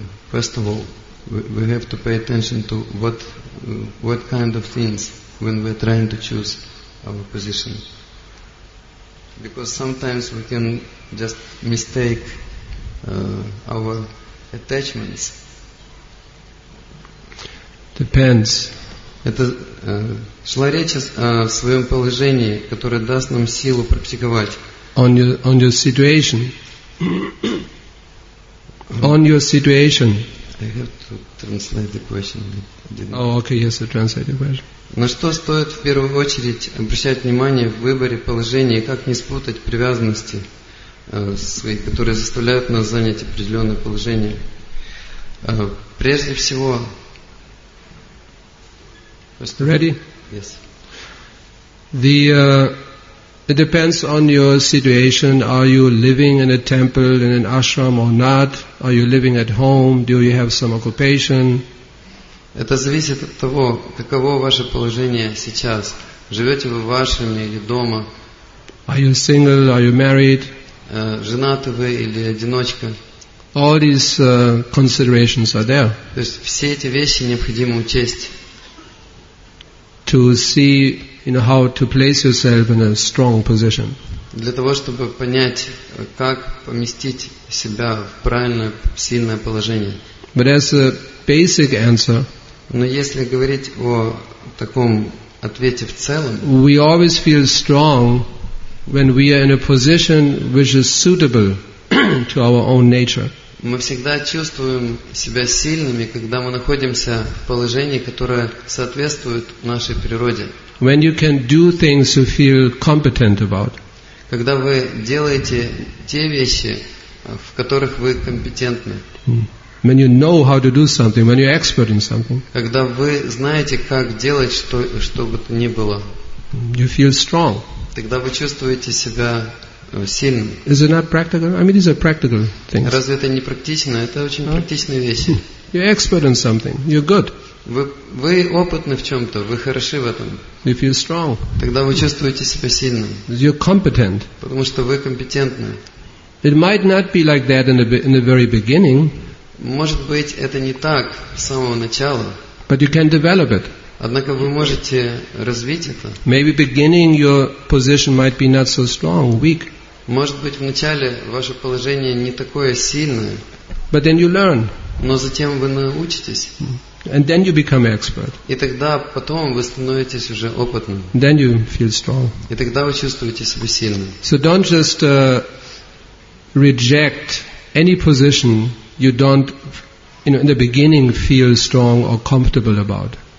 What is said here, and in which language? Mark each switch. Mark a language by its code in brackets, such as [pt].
[en] First of all, we have to pay attention to what kind of things when we're trying to choose our position. Because sometimes we can just mistake our attachments. Depends. [ru] Это шла речь о своем положении, которое даст нам силу практиковать. [en] On your situation. On your situation. I have to translate the question. Oh, okay, yes, I translate the question. [ru] На что стоит в первую очередь обращать внимание в выборе положения, как не спутать привязанности свои, которые заставляют нас занять определенное положение? Прежде всего... [en] Ready? Yes. It depends on your situation. Are you living in a temple, in an ashram or not? Are you living at home? Do you have some occupation? [ru] Это зависит от того, каково ваше положение сейчас. Живете вы в ашраме или дома? [en] Are you single? Are you married? [ru] Женаты вы или одиночка? [en] All these considerations are there. [ru] То есть все эти вещи необходимо учесть. [en] To see, you know, how to place yourself in a strong position. [ru] Для того, чтобы понять, как поместить себя в правильное, сильное положение. [en] But as a basic answer, [ru] но если говорить о таком ответе в целом, [en] we always feel strong when we are in a position which is suitable to our own nature. [ru] Мы всегда чувствуем себя сильными, когда мы находимся в положении, которое соответствует нашей природе. [en] When you can do things you feel competent about. [ru] Когда вы делаете те вещи, в которых вы компетентны. [en] When you know how to do something, when you're expert in something. [ru] Когда вы знаете, как делать что бы то ни было. [en] You feel strong. [ru] Тогда вы чувствуете себя сильным. [en] Is it not practical? I mean, these are practical things. [ru] Разве это не практично? Это очень практичные вещи. [en] You're expert in something. You're good. [ru] Вы опытны в чем-то, вы хороши в этом. [en] You feel strong. [ru] Тогда вы чувствуете себя сильным. [en] You're competent. [ru] Потому что вы компетентны. [en] It might not be like that in the very beginning. [ru] Может быть, это не так с самого начала. [en] But you can develop it. [ru] Однако вы можете развить это. [en] Maybe beginning your position might be not so strong, weak. [ru] Может быть, в начале ваше положение не такое сильное. [en] But then you learn. [ru] Но затем вы научитесь. [en] And then you become expert. [ru] И тогда потом вы становитесь уже опытным. [en] Then you feel strong. [ru] И тогда вы чувствуете себя сильным. [en] So don't just reject any position you don't, you know, in the beginning feel strong or comfortable about.